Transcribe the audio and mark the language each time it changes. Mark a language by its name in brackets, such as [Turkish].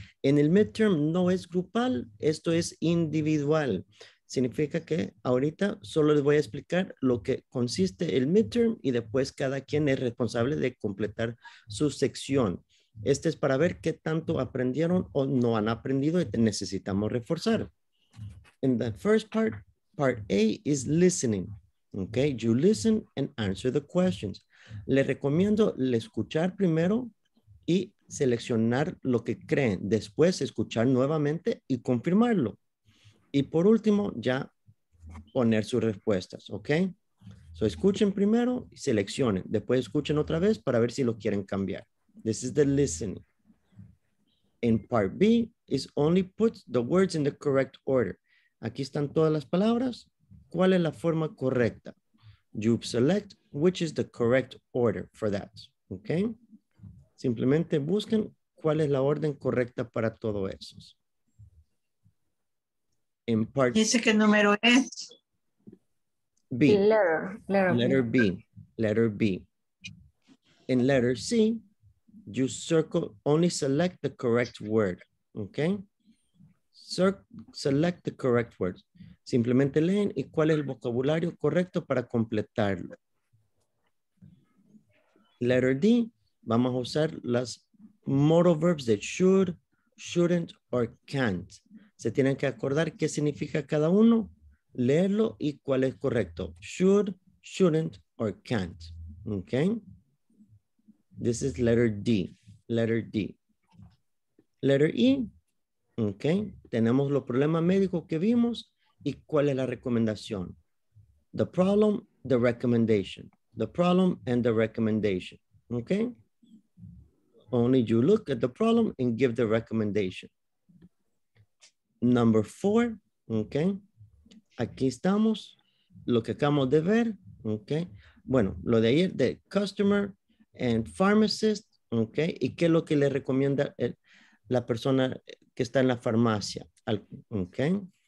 [Spanish] En el midterm no es grupal, esto es individual. Significa que ahorita solo les voy a explicar lo que consiste el midterm y después cada quien es responsable de completar su sección. Este es para ver qué tanto aprendieron o no han aprendido y necesitamos reforzar. [English] in the first part, part A is listening. Okay, you listen and answer the questions. [Spanish] Le recomiendo escuchar primero y seleccionar lo que creen. Después escuchar nuevamente y confirmarlo. Y por último, ya poner sus respuestas, okay? So escuchen primero y seleccionen. Después escuchen otra vez para ver si lo quieren cambiar. [English] This is the listening. In part B, is only put the words in the correct order. [Spanish] Aquí están todas las palabras. ¿Cuál es la forma correcta? [English] You select which is the correct order for that, okay? [Spanish] Simplemente busquen cuál es la orden correcta para todo eso. [English] In part [Spanish] Dice que número es [English] B. Letter B. Letter B. In letter C, you circle, only select the correct word, okay? Select the correct words. [Spanish] Simplemente leen y cuál es el vocabulario correcto para completarlo. [English] Letter D, [Spanish] vamos a usar las [English] modal verbs that should, shouldn't, or can't. [Spanish] Se tienen que acordar qué significa cada uno, leerlo y cuál es correcto. [English] Should, shouldn't, or can't. Okay? This is letter D. Letter D. Letter E. Okay? [Spanish] Tenemos los problemas médicos que vimos y cuál es la recomendación. [English] The problem, the recommendation. The problem and the recommendation. Okay? Only you look at the problem and give the recommendation. Number four, okay. [Spanish] Aquí estamos, lo que acabamos de ver, okay. Bueno, lo de ayer, [English] the customer and pharmacist, okay. [Spanish] Y qué es lo que le recomienda el, la persona que está en la farmacia, al, okay.